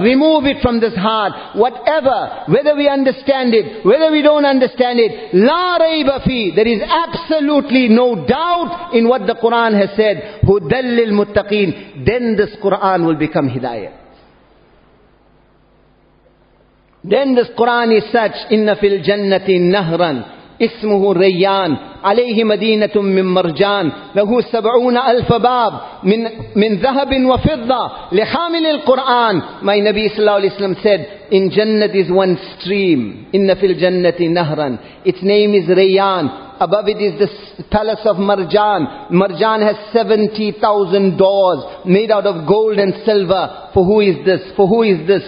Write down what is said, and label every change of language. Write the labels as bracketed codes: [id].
[en] Remove it from this heart. Whatever, whether we understand it, whether we don't understand it, [ar] la rayba fi. [en] There is absolutely no doubt in what the Quran has said. [ar] Hudal lil muttaqeen. [en] Then this Quran will become hidayah. Then this Quran is such, [ar] إِنَّ فِي الْجَنَّةِ نَهْرًا إِسْمُهُ رَيَّانِ عَلَيْهِ مَدِينَةٌ مِّن مَرْجَانِ لَهُ سَبْعُونَ أَلْفَ بَابٍ مِّن ذَهَبٍ وَفِضَّةٍ لِحَامِلِ الْقُرْآنِ. [en] My Nabi sallallahu alayhi wa sallam said, in Jannat is one stream. [ar] إِنَّ فِي الْجَنَّةِ نَهْرًا. [en] Its name is Rayyan. Above it is the palace of Marjan. Marjan has 70,000 doors made out of gold and silver. For who is this? For who is this?